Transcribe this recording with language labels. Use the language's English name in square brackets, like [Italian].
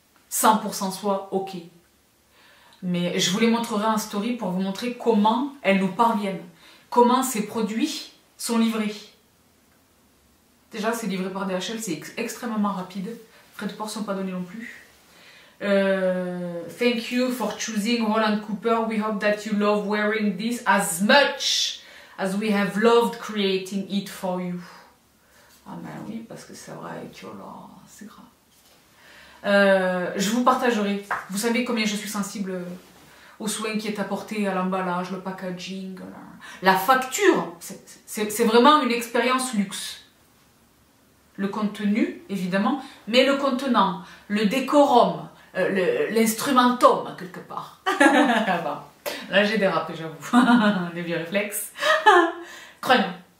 [French] 100% soie, ok. Mais je vous les montrerai en story pour vous montrer comment elles nous parviennent. Comment ces produits sont livrés. Déjà, c'est livré par DHL, c'est extrêmement rapide. Frais de port ne sont pas donnés non plus. [English] Thank you for choosing Holland Cooper. We hope that you love wearing this as much as we have loved creating it for you. [French] Ah ben oui, parce que c'est vrai que c'est grave. Je vous partagerai. Vous savez combien je suis sensible au soin qui est apporté à l'emballage, le packaging, la facture. C'est vraiment une expérience luxe. Le contenu, évidemment, mais le contenant, le décorum, l'instrumentum, quelque part. Là, j'ai dérapé, j'avoue. Les vieux réflexes. Crème.